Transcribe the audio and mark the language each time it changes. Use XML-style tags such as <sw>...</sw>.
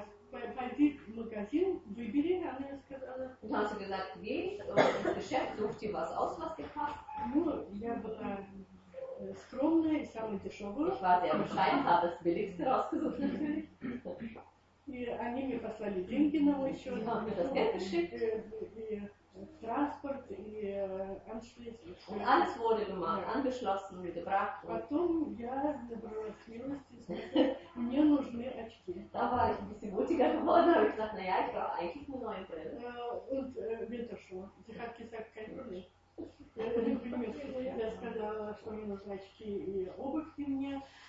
<ru>Пойди в магазин, выбери, она сказала.</ru> <de>Und hat sie gesagt, geh ins Geschäft, such dir was aus, was dir passt.</de> <ru>Ну, я была скромная, самая дешевая.</ru> <de>Ich war sehr bescheiden, habe das billigste rausgesucht natürlich.</de> <ru>И они мне послали деньги на мой счет.</ru> <de>Sie haben mir das Geld geschickt. Transport и und alles wurde gemacht, ja. Angeschlossen und gebracht.</de> <ru>Потом я добралась милости, мне нужны очки.</ru> <de>Da war ich ein bisschen mutiger geworden, habe ich gesagt, naja, ich brauche eigentlich nur neue Brille. Und Winterschuhe. Sie hat gesagt, kein Problem.</de> <ru>Я сказала, что мне нужны очки и обувь мне.</ru>